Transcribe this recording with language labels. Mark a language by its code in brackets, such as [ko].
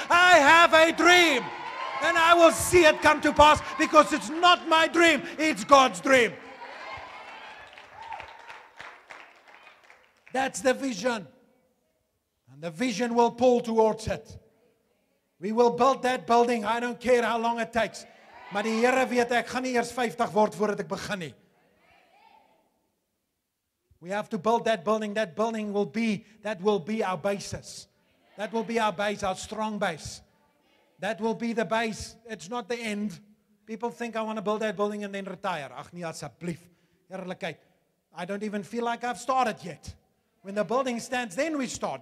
[en] I have a dream, and I will see it come to pass, because it's not my dream, it's God's dream. That's the vision, and the vision will pull towards it. We will build that building, I don't care how long it takes. [af] Maar die Here weet, ek gaan nie eers 50 word voordat ek begin nie. [en] We have to build that building. That building will be, that will be our basis. That will be our base, our strong base. That will be the base. It's not the end. People think I want to build that building and then retire. [af] Ach nie, asseblief. Eerlikheid. [en] I don't even feel like I've started yet. When the building stands, then we start.